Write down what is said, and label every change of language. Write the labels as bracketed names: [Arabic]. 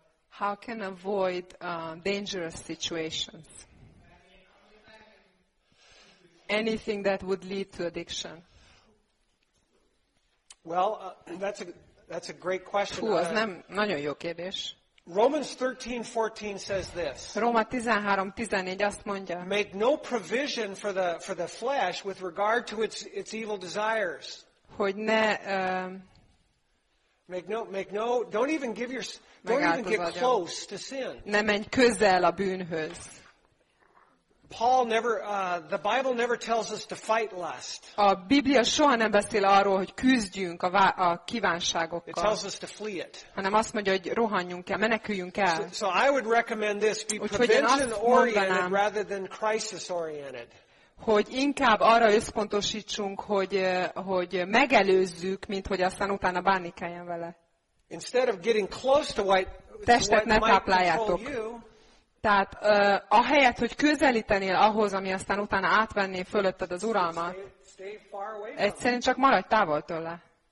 [English] How can avoid dangerous situations? Anything that would lead to addiction? Well, that's a great question. [Hungarian] Hú, az nem nagyon jó kérdés. [English] Romans 13:14 says this. [Hungarian] Róma 13:14 azt mondja. [English] Make no provision for the flesh with regard to its evil desires. [Hungarian] Hogy ne [English] don't even get close to sin. [Hungarian] Ne menj közel a bűnhöz. [English] Paul never the Bible never tells us to fight lust. [Hungarian] A Biblia soha nem beszél arról, hogy küzdjünk a kívánságokkal. [English] It tells us to flee it. [Hungarian] Hanem azt mondja, hogy rohanjunk el, meneküljünk el. [English] So I would recommend this, be prevention oriented rather than crisis oriented. [Hungarian] Hogy inkább arra összpontosítsunk, hogy megelőzzük, mint hogy aztán utána bánni kelljen vele. [English] Instead of getting close to what [Hungarian] testet ne tápláljátok. Tehát ahelyett, hogy közelítenél ahhoz, ami aztán utána átvenné fölötted az uralmat, egyszerűen csak maradj távol tőle.